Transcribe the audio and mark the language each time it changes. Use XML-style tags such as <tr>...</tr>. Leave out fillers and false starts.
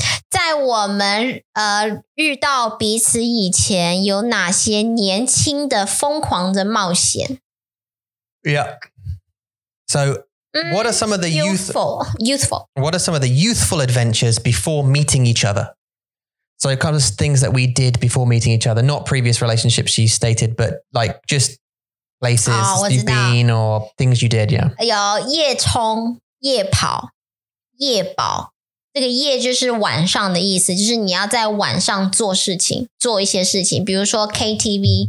<zh>在我们, 遇到彼此以前, 有哪些年轻的疯狂的冒险?</zh> <en>Yeah. So, what are some of the youthful? What are some of the youthful adventures before meeting each other? So, kind of things that we did before meeting each other, not previous relationships she stated, but like just places you've been or things you did, yeah.</en> <zh>有夜冲、夜跑，这个夜就是晚上的意思，就是你要在晚上做事情，做一些事情，比如说KTV.</zh>